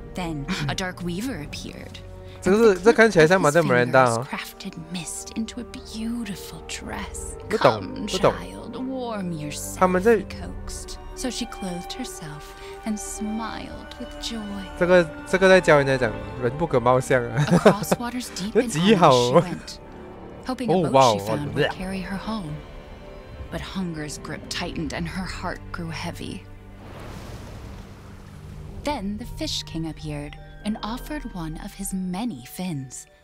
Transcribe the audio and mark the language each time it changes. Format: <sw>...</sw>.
<en>Then a dark weaver appeared. This is. This looks like Mother Miranda. Crafted mist into a beautiful dress.</en> <zh>不懂不懂</zh> <en>Come, child, warm yourself.</en> <zh>他们在</zh> <en>coaxed. So she clothed herself and smiled with joy.</en> <zh>这个在教人家讲人不可貌相啊。</zh> <en>Across waters deep and high she went, hoping a boat she found would carry her home. But hunger's grip tightened and her heart grew heavy. Then the fish king appeared and offered one of his many fins.</en>